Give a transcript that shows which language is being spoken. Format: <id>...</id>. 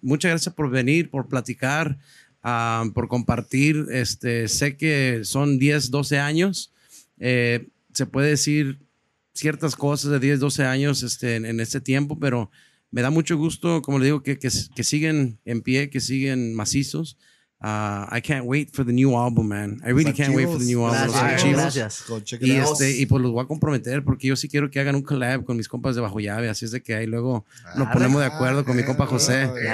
<es>Muchas gracias por venir, por platicar, por compartir. Sé que son 10, 12 años. Se puede decir ciertas cosas de 10, 12 años en este tiempo, pero me da mucho gusto, como le digo, que siguen en pie, que siguen macizos.</es> <en>I can't wait for the new album, man.</en> <es>Gracias. Y pues los voy a comprometer, porque yo sí quiero que hagan un collab con mis compas de Bajo Llave, así es de que ahí luego nos ponemos de acuerdo con mi compa José.</es>